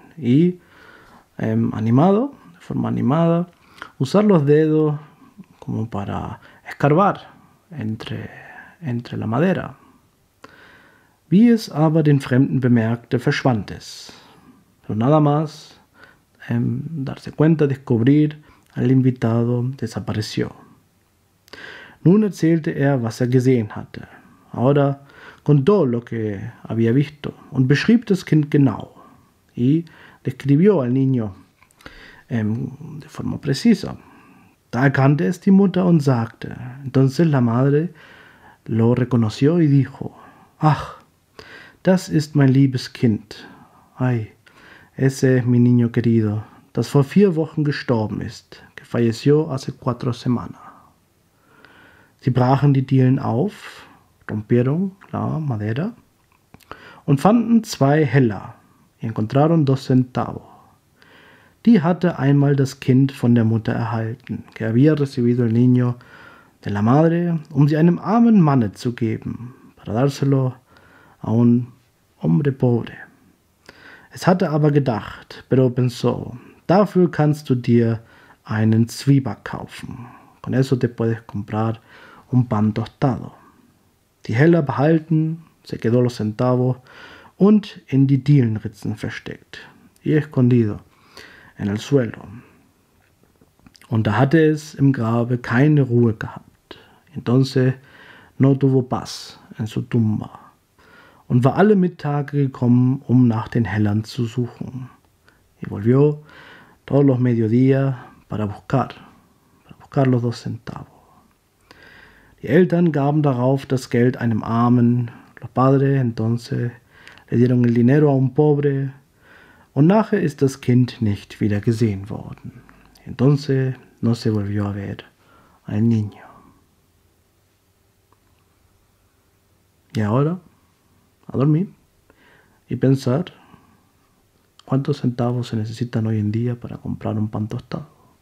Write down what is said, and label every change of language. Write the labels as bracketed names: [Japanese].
[Spanish] Y animado, de forma animada, usar los dedos como para escarbar entre la madera. [German] Wie es aber den Fremden bemerkte, verschwand es. [Spanish] Pero nada más darse cuenta, descubrir al invitado, desapareció. [German] Nun erzählte er, was er gesehen hatte. [Spanish] Ahora contó lo que había visto [German] und beschrieb das Kind genau. [Spanish] Y describió al niño de forma precisa. [German] Da erkannte es die Mutter und sagte, [Spanish] entonces la madre lo reconoció y dijo, [German] ach, das ist mein liebes Kind. [Spanish] Ay, ese es mi niño querido, [German] das vor 4 Wochen gestorben ist, [Spanish] que falleció hace 4 semanas. [German] Sie brachen die Dielen auf, [Spanish] rompieron la madera, [German] und fanden 2 Heller, [Spanish] y encontraron 2 centavos. [German] Die hatte einmal das Kind von der Mutter erhalten, [Spanish] que había recibido el niño de la madre, [German] um sie einem armen Manne zu geben, [Spanish] para dárselo a un hombre pobre. [German] Es hatte aber gedacht, [Spanish] pero pensó, [German] dafür kannst du dir einen Zwieback kaufen. [Spanish] Con eso te puedes comprar un pan tostado. [German] Die Heller behalten, [Spanish] se quedó los centavos, [German] und in die Dielenritzen versteckt. [Spanish] Y escondido en el suelo. [German] Und da hatte es im Grabe keine Ruhe gehabt. [Spanish] Entonces no tuvo paz en su tumba. [German] Und war alle Mittage gekommen, um nach den Hellern zu suchen. [Spanish] Y volvió todos los mediodías para buscar los dos centavos. [German] Die Eltern gaben darauf das Geld einem Armen. [Spanish] Los padres entonces le dieron el dinero a un pobre. [German] Und nachher ist das Kind nicht wieder gesehen worden. [Spanish] Entonces no se volvió a ver al niño. Y ahora, a dormir y pensar cuántos centavos se necesitan hoy en día para comprar un pan tostado.